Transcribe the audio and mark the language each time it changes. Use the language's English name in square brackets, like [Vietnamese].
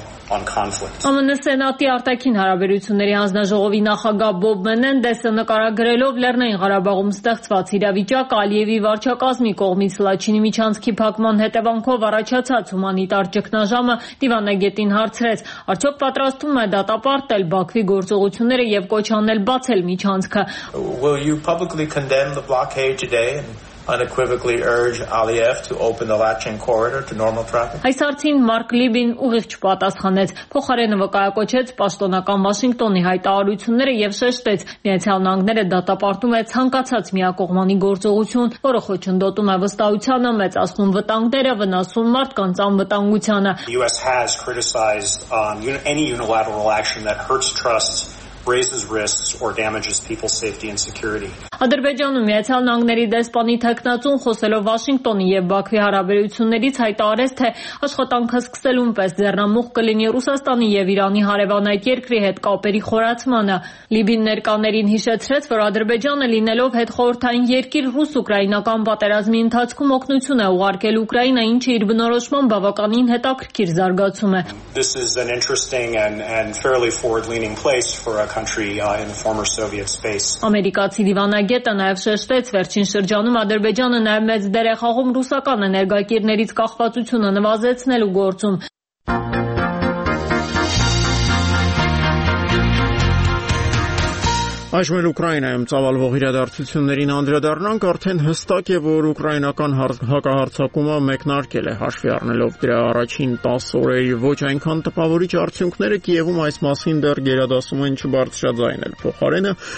[Armenian] ԱՄՆ սենատի արտաքին հարաբերությունների հանձնաժողովի նախագահ Բոբ Մենեն դեսը նկարագրելով Լեռնային Ղարաբաղում ստեղծված իրավիճակ Ալիևի վարչակազմի կողմից Լաչինի միջանցքի փակման հետևանքով առաջացած հումանիտար ճգնաժամը դիվանագետին հարցրեց. արդյոք պատրաստվում է դատապարտել Բաքվի գործողությունները եւ կոչ անել բացել միջանցքը։ [English] Will you publicly condemn the blockade today and unequivocally urge Aliyev to open the Lachin corridor to normal traffic? [Armenian] Այս հարցին Մարկ Լիբին ուղիղ չպատասխանեց, փոխարենը վկայակոչեց պաշտոնական Վաշինգտոնի հայտարարությունները եւ շեշտեց. Միացյալ Նահանգները դատապարտում է ցանկացած միակողմանի գործողություն, որը խոչընդոտում է վստահությանը, մեծ ազգում վտանգները, վնասում մարդկանց անվտանգությանը։ [English] The US has criticized any unilateral action that hurts trust, raises risks or damages people's safety and security. [Armenian] Ադրբեջանում Միացյալ Նահանգների դեսպանի թեկնածուն խոսելով Վաշինգտոնի եւ Բաքվի հարաբերություններից հայտարարեց, թե աշխատանքը սկսելուն պես ձեռնամուխ կլինի Ռուսաստանի եւ Իրանի հարևանային երկրի հետ կապերի խորացմանը։ Լիբին ներկաներին հիշեցրեց, որ Ադրբեջանը լինելով հետխորհրդային երկիր ռուս-ուկրաինական պատերազմի ընթացքում օգնություն է ուղարկել Ուկրաինա, ինչը իր բնորոշման բավականին հետաքրքիր զարգացում է։ [English] This is an interesting and fairly forward-leaning place for a country in the former Soviet space. [Armenian] Ամերիկացի դիվանագետը նաև շեշտեց, վերջին շրջանում Ադրբեջանը նաև մեծ դեր է խաղում ռուսական էներգակերներից կախվածությունը նվազեցնելու գործում։ Այժմ Ուկրաինայում ծավալվող իրադարձություններին անդրադառնանք, արդեն հստակ է, որ ուկրաինական հակահարձակումը մեկնարկել է, հաշվի առնելով դրա առաջին 10 օրերի ոչ այնքան տպավորիչ արդյունքները, Կիևում այս մասին դեռ գերադասում են չբարձրաձայնել։ Փոխարենը